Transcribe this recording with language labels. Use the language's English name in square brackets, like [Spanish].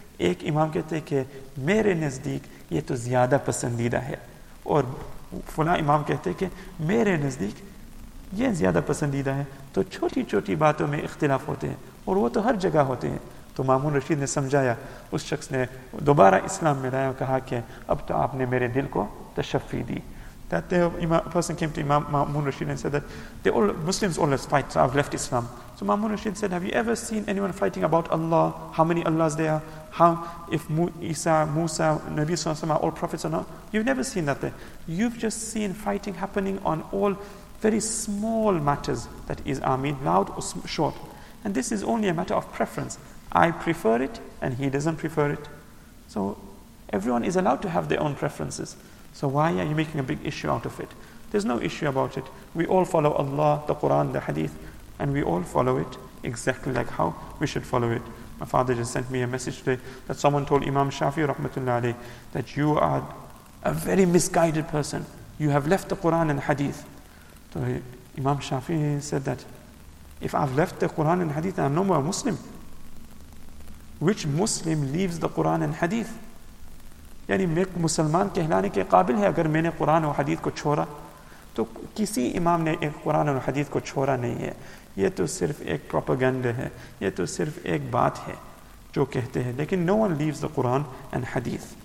[Urdu] ایک امام کہتے ہیں کہ میرے نزدیک یہ تو زیادہ پسندیدہ ہے, اور فلاں امام کہتے ہیں کہ میرے نزدیک یہ زیادہ پسندیدہ ہے. تو چھوٹی چھوٹی باتوں میں اختلاف ہوتے ہیں, اور وہ تو ہر جگہ ہوتے ہیں. تو مامون رشید نے سمجھایا, اس شخص نے دوبارہ اسلام میں لایا اور کہا کہ اب تو آپ نے میرے دل کو تشفی دی. [English] That the person came to Imam Mamun Rashid and said that they all Muslims always fight, so I've left Islam. So Mamun Rashid said, have you ever seen anyone fighting about Allah, how many Allahs there are, how if Isa, Musa, Nabi Sallallahu Alaihi Wasallam are all prophets or not? You've never seen that there. You've just seen fighting happening on all very small matters, that is, I mean, loud or short. And this is only a matter of preference. I prefer it and he doesn't prefer it. So everyone is allowed to have their own preferences. So why are you making a big issue out of it? There's no issue about it. We all follow Allah, the Quran, the Hadith, and we all follow it exactly like how we should follow it. My father just sent me a message today that someone told Imam Shafi rahmatullahi alayhi that you are a very misguided person. You have left the Quran and Hadith. So Imam Shafi said that if I've left the Quran and Hadith, I'm no more a Muslim. Which Muslim leaves the Quran and Hadith? [Urdu] یعنی میں مسلمان کہلانے کے قابل ہے اگر میں نے قرآن و حدیث کو چھوڑا. تو کسی امام نے ایک قرآن و حدیث کو چھوڑا نہیں ہے. یہ تو صرف ایک پروپیگنڈا ہے, یہ تو صرف ایک بات ہے جو کہتے ہیں, لیکن [English] No one leaves the Quran and hadith.